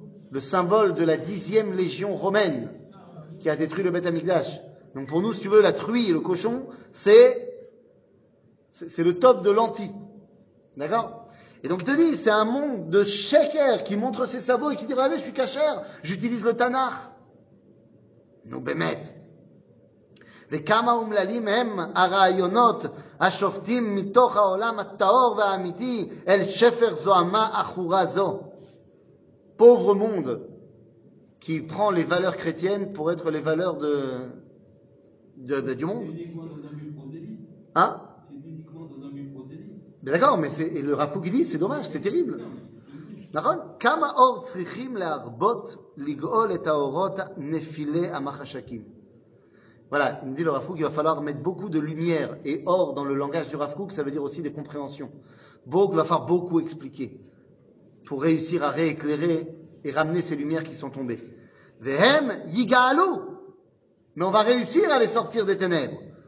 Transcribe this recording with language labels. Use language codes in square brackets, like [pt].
[fr] Le symbole de la 10e légion romaine qui a détruit le Beth Amikdash. Donc pour nous, si tu veux, la truie, le cochon, c'est le top de l'anti. D'accord? Et donc il te dit, c'est un monde de sheker qui montre ses sabots et qui dit, regardez, je suis kasher, j'utilise le tanar. Nous bémettes. [he] וכמה אומללים הם הרעיונות השופטים מתוך העולם הטהור והאמיתי אל שפר זוהמה אחורה זו. [fr] Pauvre monde qui prend les valeurs chrétiennes pour être les valeurs du monde. Hein? Mais d'accord, mais c'est, et le Rav Kook dit, c'est dommage, c'est terrible. [he] נכון? כמה אור צריכים להרבות לגאול את האורות נפילי המחשכים. [fr] Voilà, il nous dit le Rav Kook, il va falloir mettre beaucoup de lumière et or dans le langage du Rav Kook, ça veut dire aussi des compréhensions. Beaucoup, il va falloir beaucoup expliquer pour réussir à rééclairer et ramener ces lumières qui sont tombées. [he] Vehem yigalu, [fr] mais on va réussir à les sortir des ténèbres.